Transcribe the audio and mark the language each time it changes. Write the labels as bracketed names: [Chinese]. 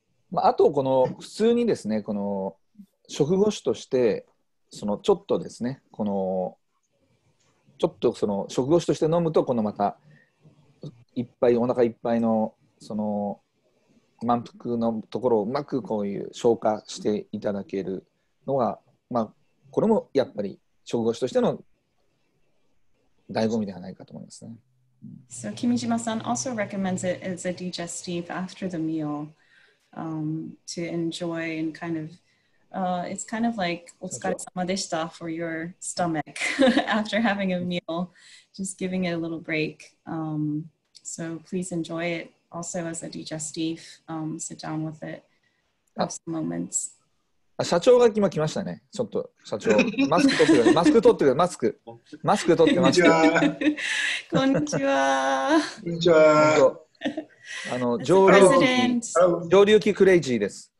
[Japanese] まあ、あとこの普通にですね、この食後酒としてそのちょっとですね、このちょっとその食後酒として飲むとこのまたいっぱいお腹いっぱいのその満腹のところをうまくこういう消化していただけるのが、まあこれもやっぱり食後酒としての醍醐味ではないかと思いますね。 [English] So, Kimijima-san also recommends it as a digestive after the meal、to enjoy and kind of、it's kind of like [Japanese] お疲れ様でした [English] for your stomach after having a meal, just giving it a little break.、so, please enjoy it also as a digestive.、sit down with it, have some moments. [Japanese] 社長が今来ましたね。ちょっと社長、マスク取ってください。マスク取ってください。マスク。マスク取ってます。こんにちは。こんにちは。こんにちは。あの、上流期、上流期クレイジーです。